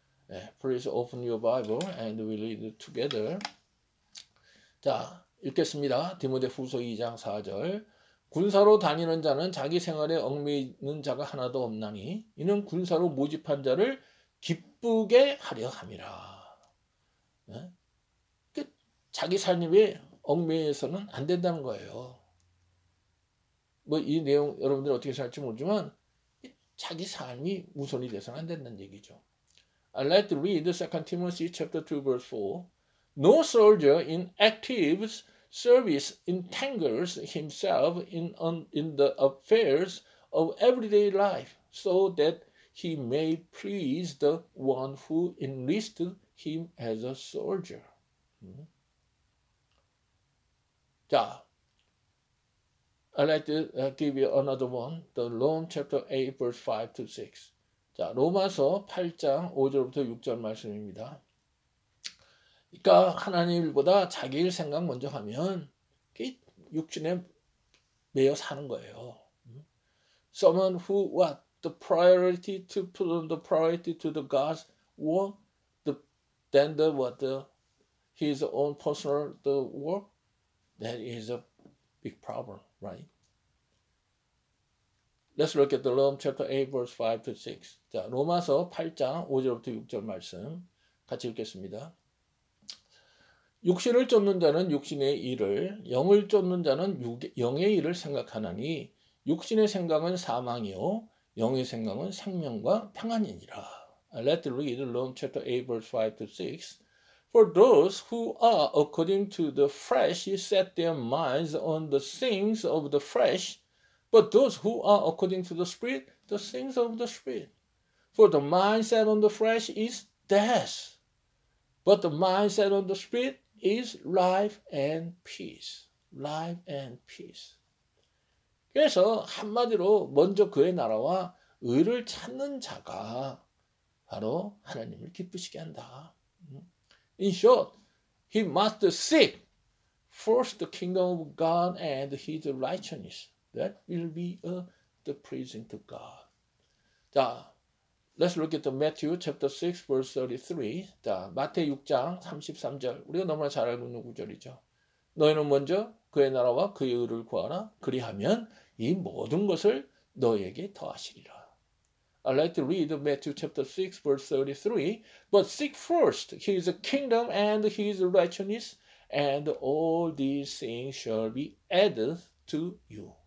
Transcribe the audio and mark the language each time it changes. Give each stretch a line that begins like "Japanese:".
English: Yeah, please open your Bible and we'll read it together.
Korean: 자, 읽겠습니다. 디모데 후서 2장 4절. 군사로 다니는 자는 자기 생활에 얽매이는 자가 하나도 없나니 이는 군사로 모집한 자를 기쁘게 하려 함이라. 네? 자기 삶에 얽매여서는 안 된다는 거예요. 뭐 이 내용 여러분들이 어떻게 살지 모르지만 자기 삶이 우선이 돼서는 안 된다는 얘기죠.
English: I'd like to read 2 Timothy chapter 2 verse 4. No soldier in active service entangles himself in the affairs of everyday life so that he may please the one who enlisted him as a soldier. 자, I'd like to give you another one. The Rome chapter 8 verse 5 to 6.
Korean: 자, 로마서 8장 5절부터 6절 말씀입니다. 그러니까 하나님보다 자기일 생각 먼저 하면 육신에 매여 사는 거예요.
English: Someone who what the priority to put on the priority to the God's work, then the what the his own personal the work, that is a big problem, right? Let's look at the Rome chapter 8 verse 5 to 6.
Korean: 자, 로마서 8장 5절부터 6절 말씀 같이 읽겠습니다. 육신을 쫓는 자는 육신의 일을, 영을 쫓는 자는 영의 일을 생각하나니 육신의 생각은 사망이요 영의 생각은 생명과 평안이니라.
English: Let's read Rome chapter 8 verse 5 to 6. For those who are according to the flesh set their minds on the things of the flesh, but those who are according to the spirit, the things of the spirit. For the mind set on the flesh is death. But the mindset of the spirit is life and peace. Life and peace.
Korean: 그래서 한마디로 먼저 그의 나라와 의를 찾는 자가 바로 하나님을 기쁘시게 한다.
English: In short, he must seek first the kingdom of God and his righteousness. That will be the pleasing to God. 자, Let's look at the Matthew chapter 6 verse 33.
Korean: 자, 마태 6장 33절. 우리가 너무나 잘 알고 있는 구절이죠. 너희는 먼저 그의 나라와 그의 의를 구하라. 그리하면 이 모든 것을 너희에게 더하시리라.
English: I'd like to read Matthew chapter 6 verse 33. But seek first his kingdom and his righteousness and all these things shall be added to you.